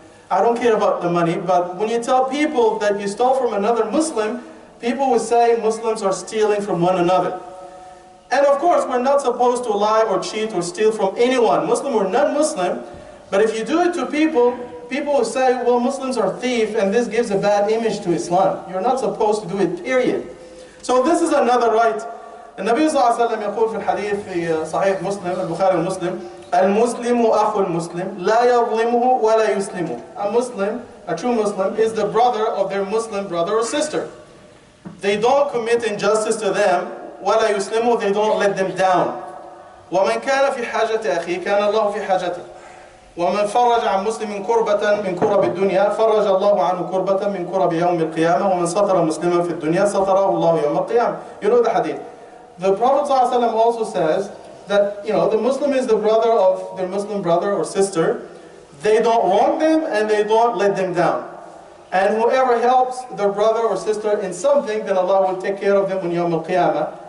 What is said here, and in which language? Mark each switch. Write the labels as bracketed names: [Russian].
[English] I don't care about the money, but when you tell people that you stole from another Muslim, people will say Muslims are stealing from one another. And of course, we're not supposed to lie or cheat or steal from anyone, Muslim or non-Muslim. But if you do it to people, people will say, well, Muslims are thieves, and this gives a bad image to Islam. You're not supposed to do it, period. So this is another right. [Arabic] And Nabi Sallallahu Alaihi Wasallam يقول في الحديث في صحيح مسلم البخاري المسلم المسلم أخو المسلم لا يظلمه ولا يسلمه. [English] A Muslim, a true Muslim, is the brother of their Muslim brother or sister. They don't commit injustice to them, [Arabic] ولا يسلمه, [English] they don't let them down. [Arabic] ومن كان في حاجة أخي كان الله في حاجته ومن فرج عن مسلم كربة من كرب الدنيا فرج الله عنه كربة من كرب يوم القيامة ومن ستر مسلما في الدنيا ستره الله يوم القيامة. [English] You know the hadith. The Prophet ﷺ also says that, you know, the Muslim is the brother of their Muslim brother or sister. They don't wrong them and they don't let them down. And whoever helps their brother or sister in something, then Allah will take care of them on Yawm al-Qiyamah.